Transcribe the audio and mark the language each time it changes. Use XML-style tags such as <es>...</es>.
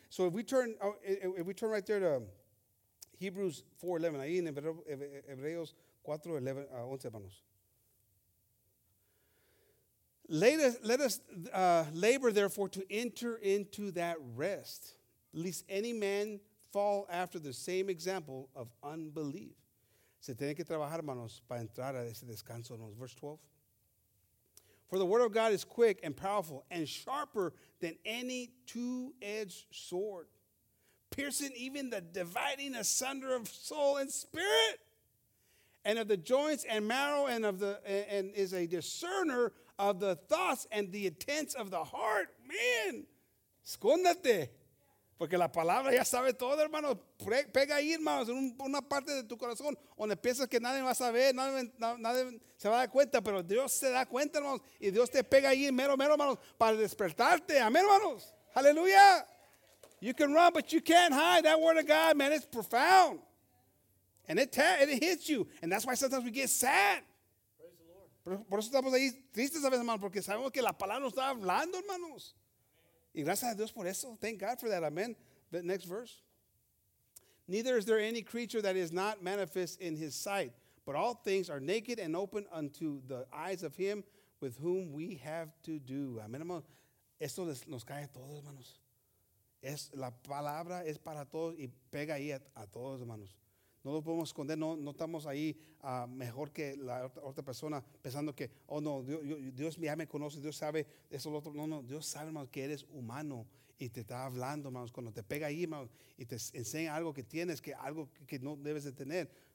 <en>So if we turn right there to Hebrews 4:11,</en> <es>ahí en Hebreos 4:11, hermanos.</es> <en>Let us labor therefore to enter into that rest, lest any man fall after the same example of unbelief.</en> <es>Se tiene que trabajar, hermanos, para entrar a ese descanso, hermanos.</es> <en>Verse 12. For the word of God is quick and powerful and sharper than any two-edged sword, piercing even the dividing asunder of soul and spirit, and of the joints and marrow, and is a discerner of the thoughts and the intents of the heart.</en> <es>Man, escóndate, porque la palabra ya sabe todo, hermano. Pega ahí, hermanos, en una parte de tu corazón donde piensas que nadie va a saber, nadie se va a dar cuenta, pero Dios se da cuenta, hermanos, y Dios te pega ahí, mero, mero, hermanos, para despertarte. Amén, hermanos. Aleluya.</es> <en>You can run, but you can't hide. That word of God, man, it's profound. And it hits you. And that's why sometimes we get sad. Praise the Lord.</en> <es>Por eso estamos ahí tristes a veces, hermanos, porque sabemos que la palabra nos está hablando, hermanos. Y gracias a Dios por eso.</es> <en>Thank God for that. Amen. The next verse. Neither is there any creature that is not manifest in his sight, but all things are naked and open unto the eyes of him with whom we have to do.</en> <es>Amen, hermanos. Esto nos cae a todos, hermanos. Es la palabra es para todos y pega ahí a todos, hermanos. No lo podemos esconder, no estamos ahí mejor que la otra persona pensando que, oh no, Dios ya me conoce, Dios sabe eso, lo otro. No, Dios sabe, hermanos, que eres humano y te está hablando, hermanos. Cuando te pega ahí, hermanos, y te enseña algo que tienes, que algo que no debes de tener,</es>